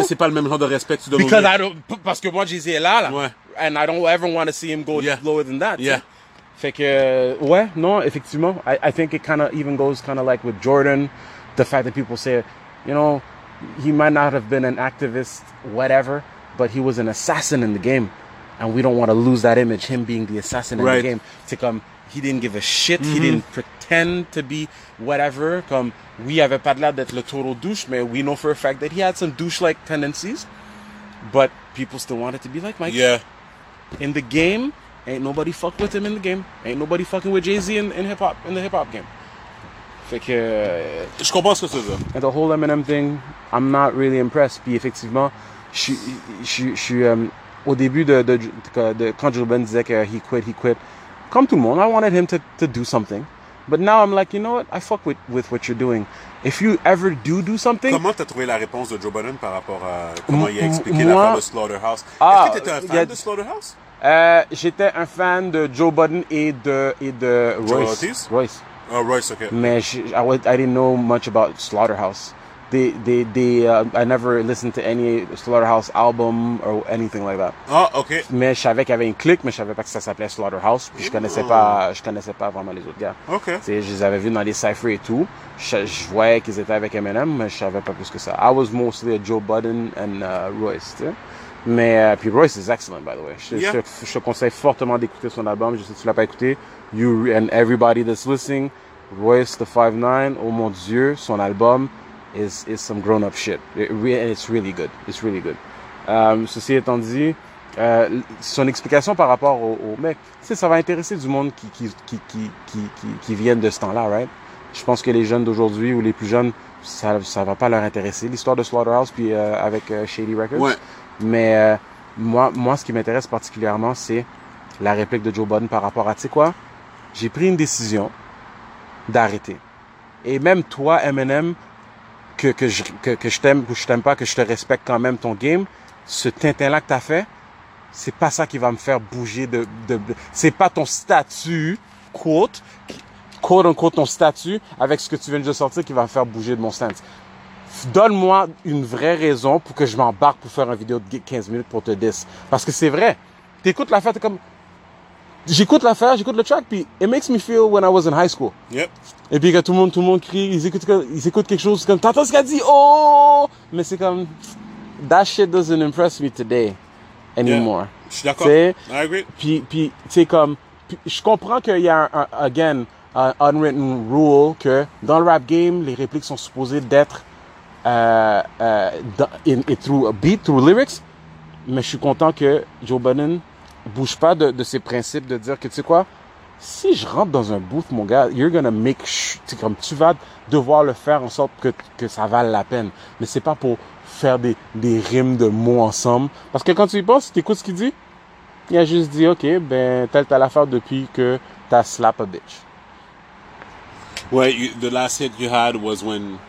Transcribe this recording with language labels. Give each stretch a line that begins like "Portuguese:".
French: Que c'est pas le même genre de respect que tu donnes au lieu. Parce que moi, Jay-Z est là, là. Ouais.
English: And I don't ever want to see him go yeah. lower than that. Yeah.
French: T'sais? Fait que, ouais, non, effectivement.
English: I think it kind of even goes kind of like with Jordan. The fact that people say, you know, he might not have been an activist, whatever, but he was an assassin in the game. and we don't want to lose that image, him being the assassin in the game, to come, he didn't give a shit, he didn't pretend to be whatever, come, we have a padlad that's a total douche, man, we know for a fact that he had some douche-like tendencies, but people still wanted to be like Mike. Yeah. In the game, ain't nobody fuck with him in the game, ain't nobody fucking with Jay-Z in hip-hop, in the hip-hop game.
French: Je comprends ce que tu veux.
English: And the whole Eminem thing, I'm not really impressed.
French: Puis effectivement, je suis au début de quand Joe Budden disait que
English: he quit.
French: Comme tout le monde,
English: I wanted him to do something. But now I'm like, you know what? I fuck with what you're doing. If you ever do something.
French: Comment t'as trouvé la réponse de Joe Budden par rapport à comment il a expliqué l'affaire de Slaughterhouse? Est-ce que t'étais un fan de Slaughterhouse? J'étais un fan de Joe Budden et de Royce. Royce. Oh, Royce, okay. Mais
English: I didn't know much about Slaughterhouse. I never listened to any Slaughterhouse album or anything like that. Ah, okay.
French: Mais je savais qu'il y avait une clique, mais je savais pas que ça s'appelait Slaughterhouse. Puis je connaissais pas vraiment les autres gars. Okay. T'sais, je les avais vus dans les cyphers et tout. Je voyais qu'ils étaient avec Eminem, mais je savais pas plus que ça.
English: I was mostly a Joe Budden and Royce, t'sais.
French: Mais puis
English: Royce is excellent, by the way.
French: Je conseille fortement d'écouter son album. Je sais que tu l'as pas écouté.
English: You and everybody that's listening, Royce the 5'9",
French: oh mon Dieu, son album
English: is some grown up shit. It's really good. It's really good.
French: Ceci étant dit, son explication par rapport au mec, tu sais, ça va intéresser du monde qui viennent de ce temps-là, right? Je pense que les jeunes d'aujourd'hui ou les plus jeunes, ça va pas leur intéresser l'histoire de Slaughterhouse puis avec Shady Records. Ouais. Mais moi, ce qui m'intéresse particulièrement, c'est la réplique de Joe Budden par rapport à, tu sais quoi? J'ai pris une décision d'arrêter. Et même toi, Eminem, que je t'aime ou je t'aime pas, que je te respecte quand même ton game, ce tintin-là que t'as fait, c'est pas ça qui va me faire bouger de c'est pas ton statut, quote, ton statut, avec ce que tu viens de sortir, qui va me faire bouger de mon stand. Donne-moi une vraie raison pour que je m'embarque pour faire une vidéo de 15 minutes pour te diss. Parce que c'est vrai. T'écoutes l'affaire, t'es comme, j'écoute l'affaire, j'écoute le track, puis
English: it makes me feel when I was in high school. Yep.
French: Et puis quand tout le monde crie, ils écoutent quelque chose comme, t'entends ce qu'il a dit? Oh! Mais c'est comme,
English: that shit doesn't impress me today anymore. Yeah.
French: Je suis d'accord. T'sais?
English: I agree.
French: Puis c'est comme, je comprends qu'il y a un
English: unwritten rule
French: que dans le rap game, les répliques sont supposées d'être
English: through a beat, through lyrics,
French: mais je suis content que Joe Budden bouge pas de ses principes de dire que, tu sais quoi, si je rentre dans un booth, mon gars,
English: you're gonna make
French: comme tu vas devoir le faire en sorte que ça vale la peine. Mais c'est pas pour faire des rimes de mots ensemble. Parce que quand tu y penses, t'écoutes ce qu'il dit, il a juste dit, ok, ben, t'as l'affaire depuis que t'as
English: slap a bitch. Ouais, the last hit you had was when